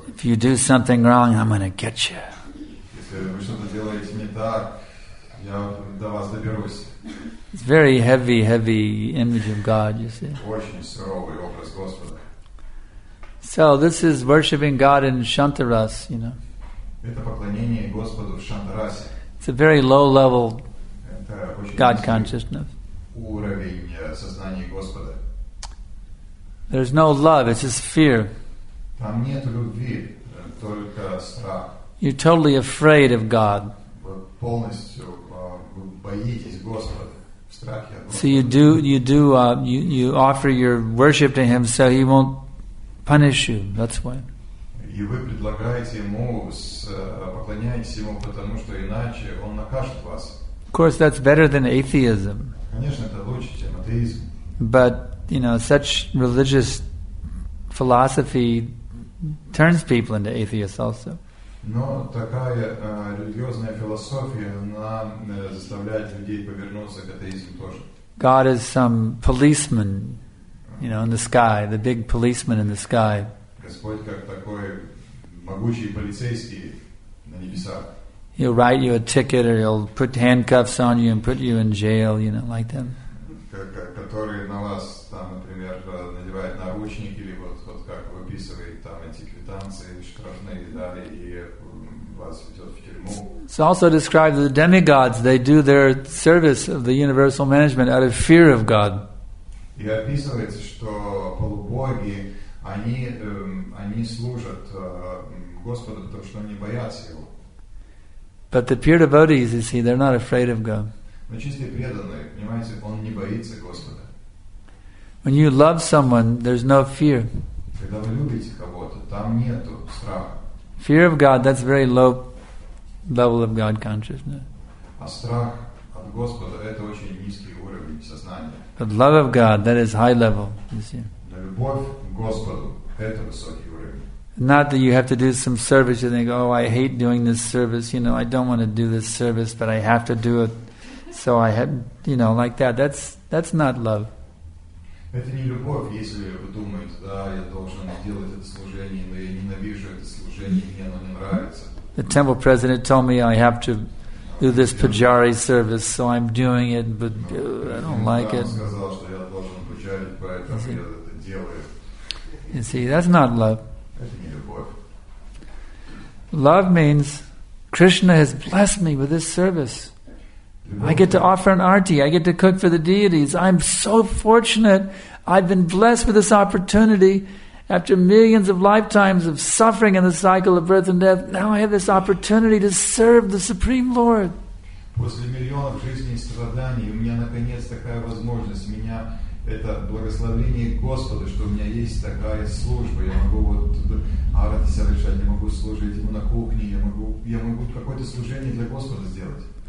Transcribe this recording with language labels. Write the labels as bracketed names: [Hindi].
[English] If you do something wrong, I'm going to get you. [Russian] Если вы что-то делаете не так, я до вас доберусь. [English] It's very heavy, heavy image of God, you see. [Russian] Очень суровый образ Господа. [English] So this is worshiping God in Shantaras, you know. [Russian] Это поклонение Господу в Шантарасе. [English] It's a very low level God consciousness. [Russian] Уровень сознания Господа. [English] There's no love, it's just fear. [Russian] Там нет любви, только страх. [English] You're totally afraid of God. [Russian] Полностью боитесь Господа. [English] So you offer your worship to him so he won't punish you. That's why. [Russian] И вы предлагаете ему, поклоняетесь ему, потому что иначе он накажет вас. [English] Of course, that's better than atheism. [Russian] Конечно, это лучше, чем атеизм. [English] But you know, such religious philosophy turns people into atheists also. [Russian] Но такая религиозная философия, она заставляет людей повернуться к атеизму тоже. [English] God is some policeman, you know, in the sky, the big policeman in the sky. [Russian] Господь как такой могучий полицейский на небесах. [English] He'll write you a ticket, or he'll put handcuffs on you and put you in jail, you know, like that. [Russian] Который на вас там, например, надевает наручники или вот как выписывает там эти квитанции штрафные далее и вас ведет в тюрьму. [English] It's also described that the demigods, they do their service of the universal management out of fear of God. [Russian] И описывается, что полубоги, они служат Господу, потому что они боятся Его. [English] But the pure devotees, you see, they're not afraid of God. [Russian] Но чистые преданные, понимаете, он не боится Господа. [English] When you love someone, there's no fear. [Russian] Когда вы любите кого-то, там нету страха. [English] Fear of God, that's very low level of God consciousness. [Russian] А страх от Господа – это очень низкий уровень сознания. [English] But love of God, that is high level, you see. [Russian] Но любовь к Господу – это высокий уровень. [English] Not that you have to do some service, you think, oh, I hate doing this service, you know, I don't want to do this service, but I have to do it, so I had, you know, like that. That's not love. [Russian] Это не любовь, если вы думаете, да, я должен делать это служение, но я ненавижу это служение, мне оно не нравится. [English] The temple president told me I have to do this pujari service, so I'm doing it, but I don't like it. [Russian] Сказал, что я должен пуджари, поэтому я это делаю. [English] You see, that's not love. Love means Krishna has blessed me with this service. I get to offer an aarti. I get to cook for the deities. I'm so fortunate. I've been blessed with this opportunity. After millions of lifetimes of suffering in the cycle of birth and death, now I have this opportunity to serve the Supreme Lord. [Russian] После миллионов жизней страданий у меня наконец такая возможность. Меня это благословение Господа, что у меня есть такая служба. Я могу вот аарти совершать, я могу служить ему на кухне, я могу какое-то служение для Господа сделать.